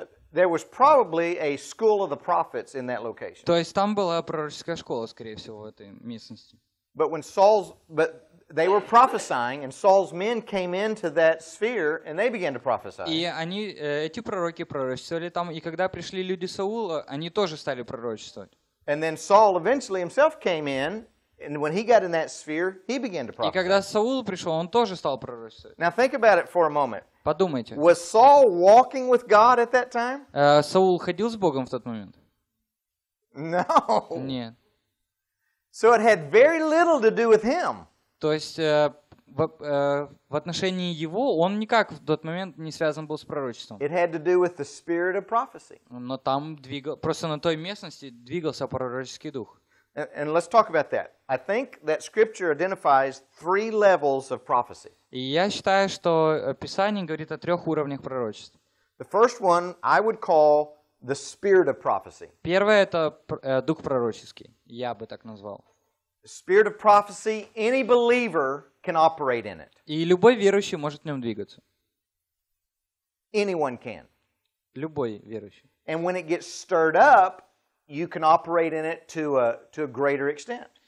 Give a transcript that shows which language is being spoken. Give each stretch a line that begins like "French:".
English: There was probably a school of the prophets in that location.
Russian: То есть там была пророческая школа, скорее всего, в этой местности.
English: But they were prophesying, and Saul's men came into that sphere, and they began to prophesy.
Russian: И они эти пророки пророчествовали там, и когда пришли люди Саула, они тоже стали пророчествовать.
English: And then Saul eventually himself came in, and when he got in that sphere, he began to prophesy.
Russian: И когда Саул пришел, он тоже стал пророчествовать.
English: Now think about it for a moment.
Russian: Подумайте.
English: Was Saul walking with God at that time?
Russian: Саул ходил с Богом в тот момент?
English: No.
Russian: Нет.
English: So it had very little to do with him.
Russian: То есть в отношении его он никак в тот момент не связан был с пророчеством.
English: It had to do with the spirit of prophecy.
Russian: Но там просто на той местности двигался пророческий дух.
English: And let's talk about that. I think that scripture identifies three levels of prophecy.
Russian: И я считаю, что Писание говорит о трех уровнях пророчеств.
English: The first one I would call the spirit of prophecy.
Russian: Первое — это дух пророческий. Я бы так назвал.
English: The spirit of prophecy, any believer can operate in it.
Russian: И любой верующий может в нем двигаться.
English: Anyone can.
Russian: Любой верующий.
English: And when it gets stirred up, you can operate in it to a greater extent.